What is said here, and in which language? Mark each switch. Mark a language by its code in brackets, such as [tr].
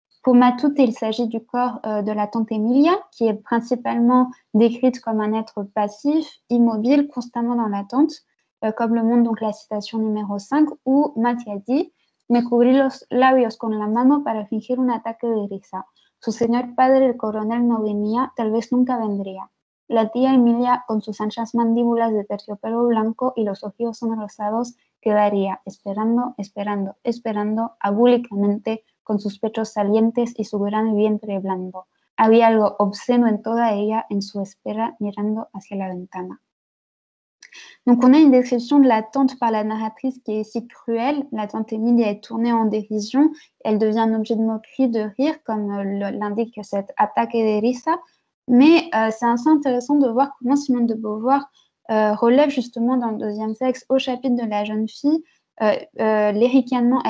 [fr] Pour Matute, il s'agit du corps de la tante Emilia, qui est principalement décrite comme un être passif, immobile, constamment dans l'attente, comme le montre donc la citation numéro 5, où Mathia dit « [es] Me cubrí los labios con la mano para fingir un ataque de risa. Su señor padre, el coronel, no venía, tal vez nunca vendría. La tía Emilia, con sus anchas mandíbulas de terciopelo blanco y los ojos sonrosados, quedaría esperando, esperando, esperando, abúlicamente, con sus pechos salientes y su gran vientre blando. Había algo obsceno en toda ella, en su espera, mirando hacia la ventana. [fr] Donc on a une description de la tante par la narratrice qui est si cruelle. La tante Emilia est tournée en dérision. Elle devient un objet de moquerie, de rire, comme l'indique cette attaque de risa. Mais c'est assez intéressant de voir comment Simone de Beauvoir relève justement dans le deuxième sexe, au chapitre de la jeune fille, les ricanements.